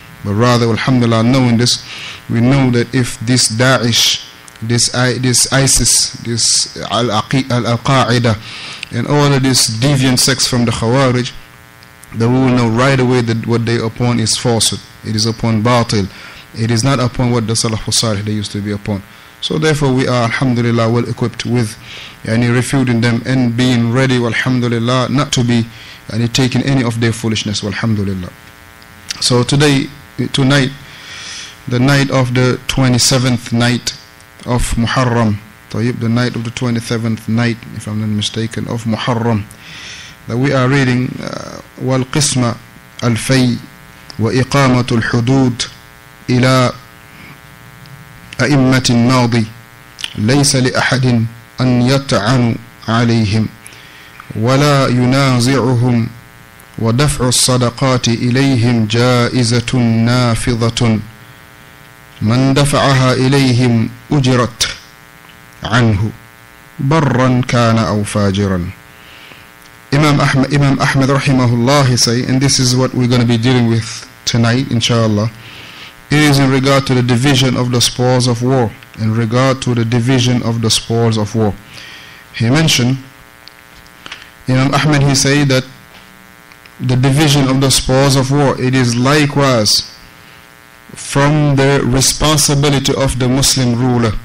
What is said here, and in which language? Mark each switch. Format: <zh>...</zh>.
<en>But rather, alhamdulillah, knowing this, we know that if this Daesh, this ISIS, this Al-Qaeda, and all of these deviant sects from the Khawarij, then we will know right away that what they upon is falsehood. It is upon batil. It is not upon what the Salaf al-Salih they used to be upon. So therefore, we are, alhamdulillah, well equipped with yani refuting them and being ready, alhamdulillah, not to be yani taking any of their foolishness, alhamdulillah. So today, tonight, the night of the 27th night of Muharram, the night of the 27th night, if I'm not mistaken, of Muharram, that we are reading Walqisma al-Fay wa Iqamatul Hudud ila</en> <ar>أئمة الماضي ليس لأحد أن يطعن عليهم ولا ينازعهم ودفع الصدقات إليهم جائزة نافضة من دفعها إليهم أجرت عنه برا كان أو فاجرا.</ar> <en>Imam Ahmed</en> <ar>رحمه الله</ar> <en>say, and this is what we're going to be dealing with tonight inshallah, it is in regard to the division of the spoils of war. In regard to the division of the spoils of war, he mentioned, Imam Ahmed, he say that the division of the spoils of war, it is likewise from the responsibility of the Muslim ruler.</en>